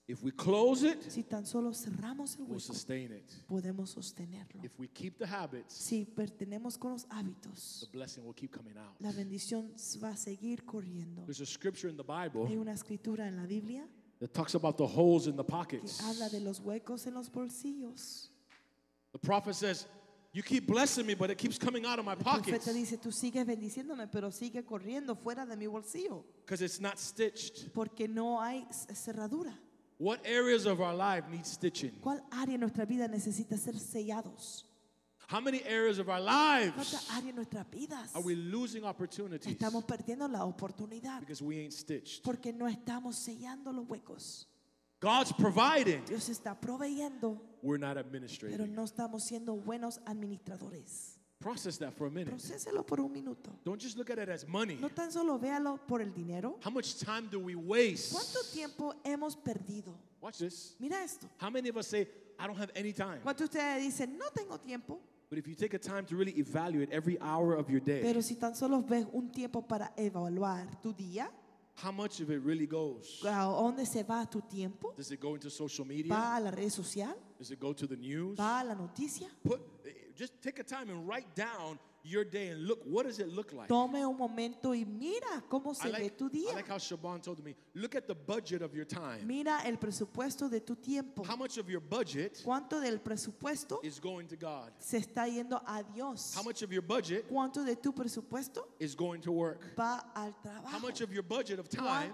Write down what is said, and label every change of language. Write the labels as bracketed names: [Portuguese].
[English] If we close it, [Spanish] si tan solo cerramos el hueco, [English] sustain it. [Spanish] Podemos sostenerlo. [English] If we keep the habits, [Spanish] si pertenemos con los hábitos, [English] the blessing will keep coming out. [Spanish] La bendición va a seguir corriendo. [English] There's a scripture in the Bible. [Spanish] Hay una escritura en la Biblia. [English] It talks about the holes in the pockets. [Spanish] Que habla de los huecos en los bolsillos. [English] The prophet says, "You keep blessing me, but it keeps coming out of my pockets." [Spanish] El profeta dice, "Tú sigues bendiciéndome, pero sigue corriendo fuera de mi bolsillo." [English] Because it's not stitched. [Spanish] Porque no hay cerradura. [English] What areas of our life need stitching? [Spanish] ¿Cuál área de nuestra vida necesita ser sellados? [English] How many areas of our lives are we losing opportunities? [Spanish] Estamos perdiendo la oportunidad [English] because we ain't stitched. [Spanish] Porque no estamos sellando los huecos. [English] God's providing. [Spanish] Dios está proveyendo. [English] We're not administrating. [Spanish] Pero no estamos siendo buenos administradores. [English] Process that for a minute. [Spanish] Procéselo por un minuto. [English] Don't just look at it as money. [Spanish] No tan solo véalo por el dinero. [English] How much time do we waste? [Spanish] ¿Cuánto tiempo hemos perdido? [English] Watch this. [Spanish] Mira esto. [English] How many of us say, I don't have any time? [Spanish] ¿Cuánto ustedes dicen, no tengo tiempo? [English] But if you take a time to really evaluate every hour of your day, [Spanish] pero si tan solo ves un tiempo para evaluar tu día, [English] how much of it really goes? [Spanish] ¿A dónde se va tu tiempo? [English] Does it go into social media? [Spanish] ¿Va a la red social? [English] Does it go to the news? [Spanish] ¿Va a la noticia? [English] Just take a time and write down your day and look, what does it look like? [Spanish] Tome un momento y mira cómo se ve tu día. [English] I like how Siobhan told me, look at the budget of your time. [Spanish] Mira el presupuesto de tu tiempo. [English] How much of your budget, [Spanish] ¿cuánto del presupuesto, [English] is going to God? [Spanish] Se está yendo a Dios. [English] How much of your budget, [Spanish] ¿cuánto de tu presupuesto, [English] is going to work? [Spanish] Va al trabajo. [English] How much of your budget of time,